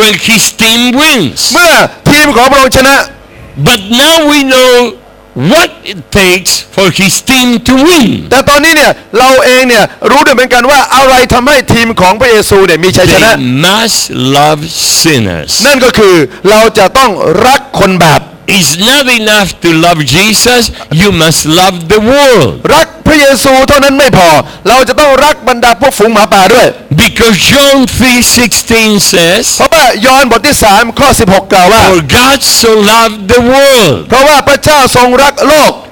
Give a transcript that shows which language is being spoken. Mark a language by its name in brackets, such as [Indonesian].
[English] When his team wins [Thai] เมื่อทีมของพระองค์ชนะ [English] But now we knowWhat it takes for his team to win? [Thai] แต่ตอนนี้เนี่ยเราเองเนี่ยรู้ด้วยเหมือนกันว่าอะไรทำให้ทีมของพระเยซูเนี่ยมีชัยชนะ [English] They must love sinners. [Thai] นั่นก็คือเราจะต้องรักคนบาป [English] It's not enough to love Jesus. You must love the world. [Thai] รักพระเยซูเท่านั้นไม่พอเราจะต้องรักบรรดาพวกฝูงหมาป่าด้วย [English] Because John 3:16 says. [Thai] เพราะว่ายอห์นบทที่3ข้อ16กล่าวว่า [English] For God so loved the world. [Thai] เพราะว่าพระเจ้าทรงรักโลก